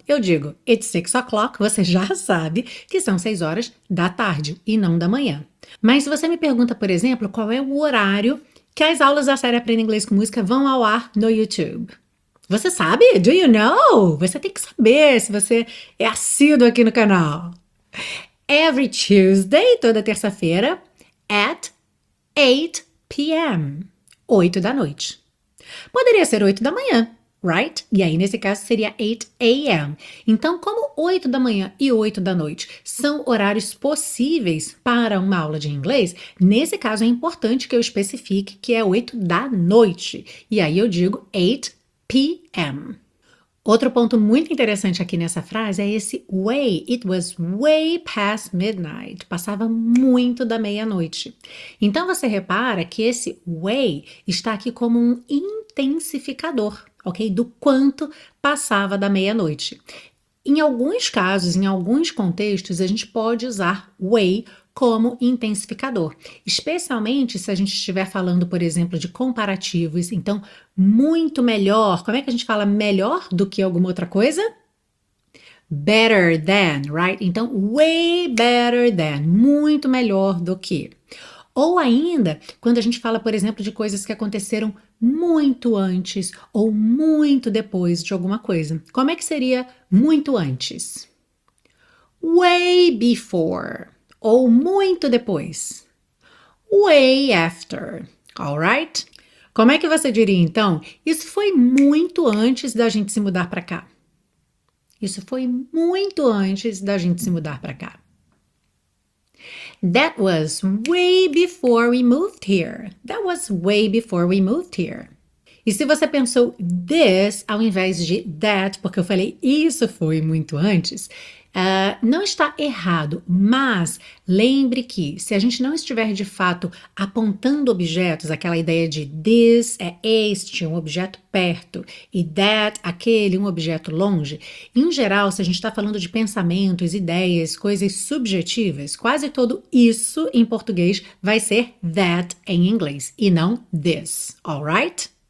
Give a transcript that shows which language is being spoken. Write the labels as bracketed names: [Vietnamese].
[Portuguese] Eu digo, [English] it's 6 o'clock, [Portuguese] você já sabe que são 6 horas da tarde e não da manhã. Mas se você me pergunta, por exemplo, qual é o horário que as aulas da série Aprenda Inglês com Música vão ao ar no YouTube? Você sabe? [English] Do you know? [Portuguese] Você tem que saber se você é assíduo aqui no canal. [English] Every Tuesday, [Portuguese] toda terça-feira, [English] at 8 p.m. [Portuguese] 8 da noite. Poderia ser 8 da manhã, right? E aí, nesse caso, seria 8 a.m. Então, como 8 da manhã e 8 da noite são horários possíveis para uma aula de inglês, nesse caso é importante que eu especifique que é 8 da noite. E aí eu digo 8 p.m. Outro ponto muito interessante aqui nessa frase é esse way. [English] It was way past midnight. [Portuguese] Passava muito da meia-noite. Então você repara que esse way está aqui como um intensificador, ok? Do quanto passava da meia-noite. Em alguns casos, em alguns contextos, a gente pode usar way como intensificador, especialmente se a gente estiver falando, por exemplo, de comparativos. Então, muito melhor. Como é que a gente fala melhor do que alguma outra coisa? [English] Better than, right? Então, way better than, [Portuguese] muito melhor do que. Ou ainda, quando a gente fala, por exemplo, de coisas que aconteceram muito antes ou muito depois de alguma coisa. Como é que seria muito antes? [English] Way before. [Portuguese] Ou muito depois. [English] Way after. All right? [Portuguese] Como é que você diria então? Isso foi muito antes da gente se mudar para cá. Isso foi muito antes da gente se mudar para cá. [English] That was way before we moved here. That was way before we moved here. [Portuguese] E se você pensou this ao invés de that, porque eu falei isso foi muito antes. Não está errado, mas lembre que se a gente não estiver de fato apontando objetos, aquela ideia de this é este, um objeto perto, e that, aquele, um objeto longe, em geral, se a gente está falando de pensamentos, ideias, coisas subjetivas, quase todo isso em português vai ser that em inglês e não this, alright?